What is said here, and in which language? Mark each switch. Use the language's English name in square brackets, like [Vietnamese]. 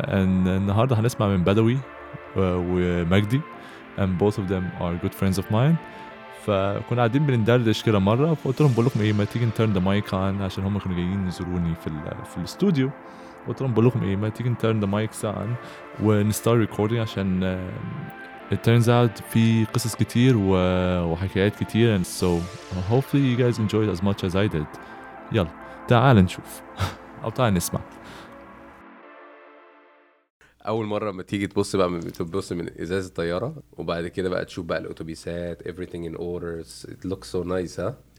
[English] And [Arabic] النهاردة هنسمع من بدوي ومجدي. [English] And both of them are good friends of mine. [Arabic] فكنا قاعدين بنندردش كده مرة. فقلت لهم بقول لكم ايه، ما تيجي نترن ذا مايك اون عشان هم كانوا جايين يزوروني في الاستوديو. قلت لهم بقول لكم ايه، ما تيجي نترن ذا مايك اون ونستار ريكوردينج عشان [English] it turns out [Arabic] في قصص كتير وحكايات كتير. [English] And so hopefully you guys enjoyed as much as I did. [Arabic] يلا تعال نشوف او تعال نسمع. اول مره ما تيجي تبص بقى تبص من ازاز الطياره وبعد كده بقى تشوف بقى الاوتوبيسات [English] everything in order it looks so nice. [Arabic] ها